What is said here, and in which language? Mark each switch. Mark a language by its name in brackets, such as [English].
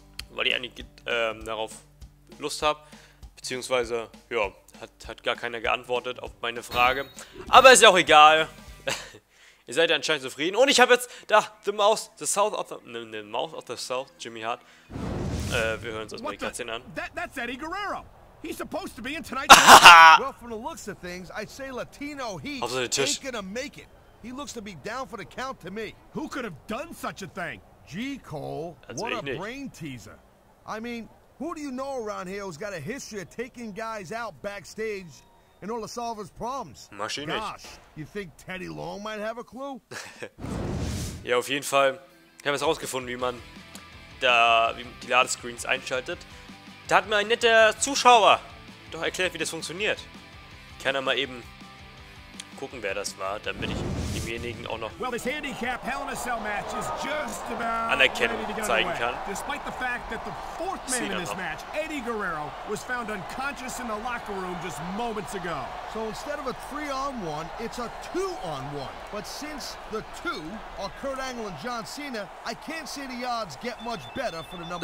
[German] Weil ich eigentlich darauf Lust habe. Beziehungsweise, ja, hat gar keiner geantwortet auf meine Frage. Aber ist ja auch egal. Ihr seid ja anscheinend zufrieden. Und ich habe jetzt da The Mouth of the South, Jimmy Hart. Wir hören uns das mal die Katzen an. [English] That's Eddie Guerrero. He's supposed to be in tonight's. Well, from the looks of things, I say Latino Heat ain't gonna make it. He looks to be down for the count to me. Who could have done such a thing? G. Cole, what a brain teaser. I mean, who do you know around here who's got a history of taking guys out backstage in order to solve his problems? [German] Maschine. [English] Gosh, you think Teddy Long might have a clue? [German] Ja, auf jeden Fall. Ich habe es herausgefunden, wie man da die Ladescreens einschaltet. Da hat mir ein netter Zuschauer doch erklärt, wie das funktioniert. Ich kann ja mal eben gucken, wer das war, damit ich demjenigen auch noch Anerkennung zeigen kann. [English] Despite the fact that the fourth man in this match, Eddie Guerrero, was found unconscious in the locker room just moments ago. So instead of a 3-on-1, it's a 2-on-1. But since the 2 are Kurt Angle and John Cena, I can't see the odds get much better for the number